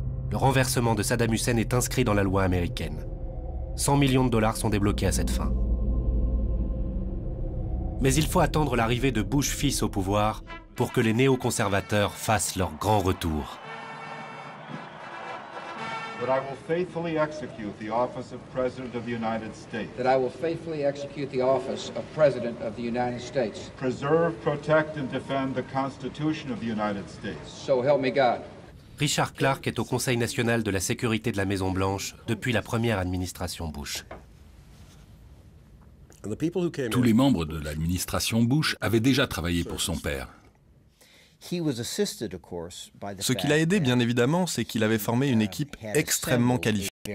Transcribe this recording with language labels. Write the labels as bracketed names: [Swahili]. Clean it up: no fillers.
[French] Le renversement de Saddam Hussein est inscrit dans la loi américaine. 100 millions de dollars sont débloqués à cette fin. Mais il faut attendre l'arrivée de Bush fils au pouvoir pour que les néoconservateurs fassent leur grand retour. [English] That I will faithfully execute the office of President of the United States. That I will faithfully execute the office of President of the United States. Preserve, protect and defend the Constitution of the United States. So help me God. [French] Richard Clark est au Conseil national de la sécurité de la Maison Blanche depuis la première administration Bush. Tous les membres de l'administration Bush avaient déjà travaillé pour son père. Ce qui l'a aidé, bien évidemment, c'est qu'il avait formé une équipe extrêmement qualifiée.